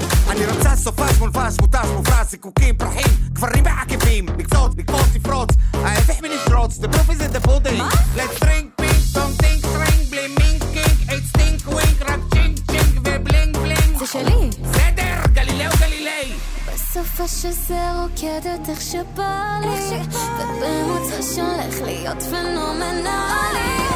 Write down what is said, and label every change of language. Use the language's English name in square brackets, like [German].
[Hebrew] אני רוצה סופש, מולפש, מוטש, מופרס, זיקוקים, פרחים, גברים בעקבים, לקצות, לקפוץ, לפרוץ, ההפך מנשרוץ, [English] drinks, the proof is in the pudding. [Hebrew] מה? [English] Let's drink pink, don't think drink, blimink, kink, it's stink, wink, [Hebrew] רק צ'ינק, צ'ינק ובלינג, בלינג. זה שלי. סדר, גלילאו גלילאי. בסופה שזה רוקדת איך שבא לי, איך שבא לי. ובמוצא שולך להיות פנומנלי.